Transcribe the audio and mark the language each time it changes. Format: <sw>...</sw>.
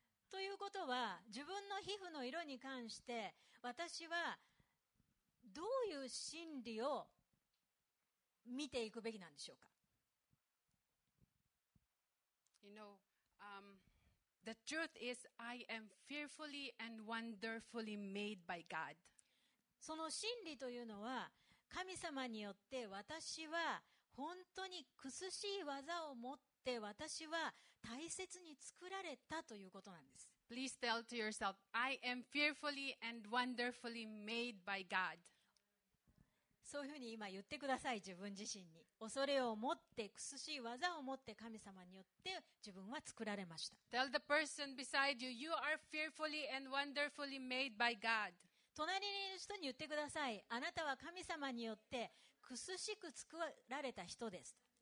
<ja>ということは、自分の皮膚の色に関して私はどういう真理を見ていくべきなんでしょうか。</ja> <en>You know, the truth is I am fearfully and wonderfully made by God.</en> <ja>その真理というのは神様によって私は本当にくすしい技を持って私は大切に作られたということなんです。</ja> <en>Please tell to yourself, I am fearfully and wonderfully made by God.</en> <ja>そういうふうに今言ってください、自分自身に。恐れを持ってくすしい技を持って神様によって自分は作られました。</ja> <en>Tell the person beside you, you are fearfully and wonderfully made by God.</en> <ja>隣にいる人に言ってください、あなたは神様によってくすしく作られた人です。</ja>